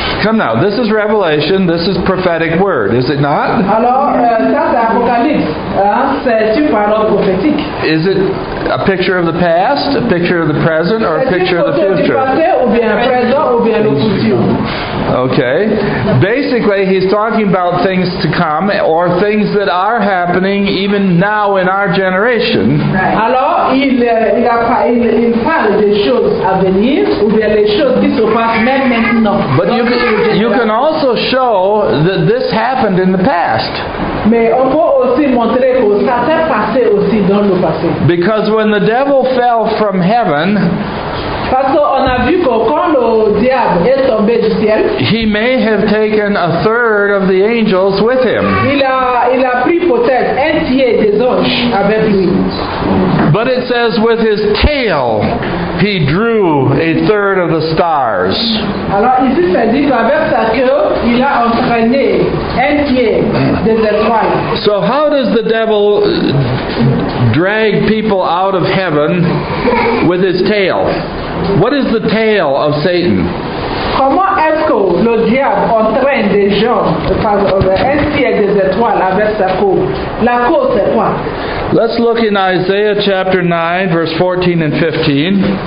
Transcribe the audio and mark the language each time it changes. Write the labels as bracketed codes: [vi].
[en] Come now, this is Revelation, this is prophetic word, is it not? [fr] Alors, ça c'est Apocalypse, c'est une parole prophétique. [en] Is it a picture of the past, a picture of the present, or a picture of the future? [fr] Est-ce que c'est du passé, ou bien présent, ou bien le futur? [en] Okay. Basically, he's talking about things to come or things that are happening even now in our generation. Right. [fr] Alors, il parle des choses à venir ou bien les choses qui se passent même maintenant. [en] But you can also show that this happened in the past. [fr] Mais on peut aussi montrer que ça s'est passé aussi dans le passé. [en] Because when the devil fell from heaven, [fr] parce qu'on a vu que quand le diable est tombé du ciel, [en] he may have taken a third of the angels with him. [fr] Il a pris peut-être un tiers des anges avec lui. [en] But it says with his tail he drew a third of the stars. [fr] Alors ici ça dit qu'avec sa queue il a entraîné un tiers des étoiles. [en] So how does the devil drag people out of heaven with his tail? What is the tail of Satan? [fr] Comment est-ce que le diable entraîne des gens un tiers des étoiles avec sa queue? La queue c'est quoi? [en] Let's look in Isaiah chapter 9, verse 14 and 15.